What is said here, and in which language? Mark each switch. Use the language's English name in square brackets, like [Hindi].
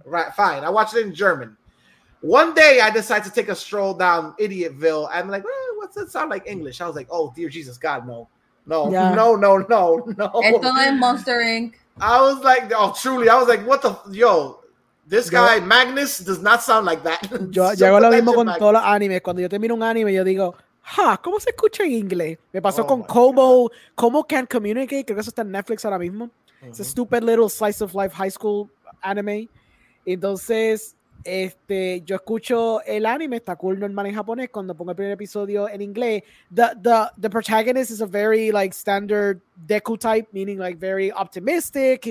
[English] Right, fine. I watched it in German. One day, I decided to take a stroll down Idiotville. I'm like, what's that sound like, English? I was like, oh, dear Jesus, God, no. No, yeah. No. It's like Monster Inc. I was like, oh, truly. I was like, what the, yo. This guy, yo, Magnus, does not sound like that. [Spanish] Yo hago lo mismo con Magnus. Todos los animes. Cuando yo termino un anime, yo digo, ha, ¿cómo se escucha en inglés? Me pasó con Kobo. Kobo Can't Communicate. Creo que eso está en Netflix ahora mismo. Mm-hmm. [English] It's a stupid little slice of life high school anime. [Spanish] Entonces, yo escucho el anime. Está cool, normal, en japonés. Cuando pongo el primer episodio en inglés, [English] the protagonist is a very, like, standard Deku type, meaning, like, very optimistic.